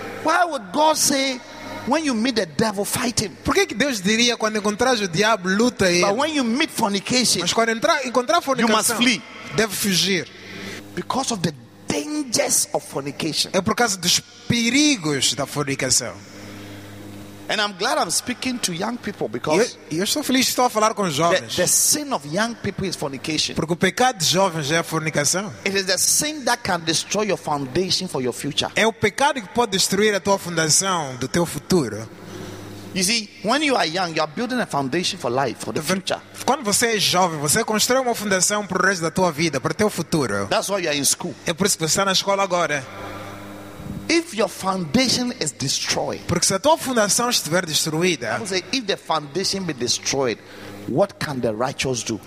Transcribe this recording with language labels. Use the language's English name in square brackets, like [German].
[English] Why would God say when you meet the devil, fight him? [Portuguese] Por que Deus diria quando encontrares o diabo, luta ele? [English] But when you meet fornication, [Portuguese] mas quando encontrar fornicação, [English] you must flee. [Portuguese] Deve fugir. [English] Because of the dangers of fornication. [Portuguese] É por causa dos perigos da fornicação. [English] And I'm glad I'm speaking to young people because [Portuguese] eu estou feliz que estou a falar com jovens. [English] The sin of young people is fornication. [Portuguese] Porque o pecado de jovens é a fornicação. [English] It is the sin that can destroy your foundation for your future. [Portuguese] É o pecado que pode destruir a tua fundação do teu futuro. [English] You see, when you are young, you are building a foundation for life, for the future. [Portuguese] Quando você é jovem, você constrói uma fundação para o resto da tua vida, para o teu futuro. [English] That's why you are in school. [Portuguese] É por isso que você está na escola agora. [English] If your foundation is destroyed, [Portuguese] porque se a tua fundação estiver destruída, [English] say, if the foundation be destroyed, what can the righteous do?